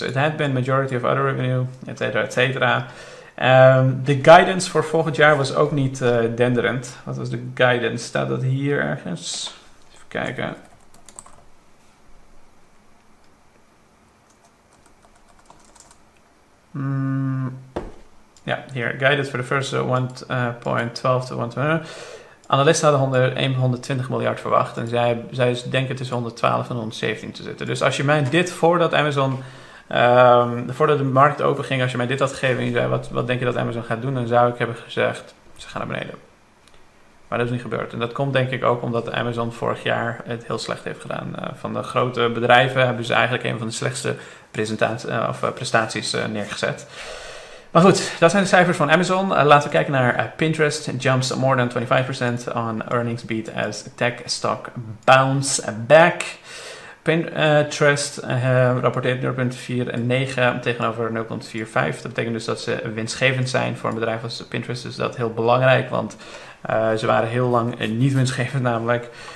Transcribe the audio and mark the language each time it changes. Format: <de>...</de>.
<en>It had been majority of other revenue, et cetera, et cetera.</en> <nl>De guidance voor volgend jaar was ook niet denderend. Wat was de guidance? Staat dat hier ergens? Even kijken. Ja, hier.</nl> <en>Guided for the first 1.12 to 1.20.</en> <nl>Analisten hadden 120 miljard verwacht. En zij denken tussen 112 en 117 te zitten. Dus als je mij dit voordat Amazon, voordat de markt open ging, als je mij dit had gegeven en je zei, wat denk je dat Amazon gaat doen? Dan zou ik hebben gezegd, ze gaan naar beneden. Maar dat is niet gebeurd. En dat komt denk ik ook omdat Amazon vorig jaar het heel slecht heeft gedaan. Van de grote bedrijven hebben ze eigenlijk een van de slechtste prestaties neergezet. Maar goed, dat zijn de cijfers van Amazon. Laten we kijken naar Pinterest.</nl> <en>Jumps more than 25% on earnings beat as tech stock bounce back.</en> <nl>Pinterest rapporteert 0,49 tegenover 0,45. Dat betekent dus dat ze winstgevend zijn voor een bedrijf als Pinterest. Dus dat is heel belangrijk, want ze waren heel lang niet winstgevend namelijk.</nl>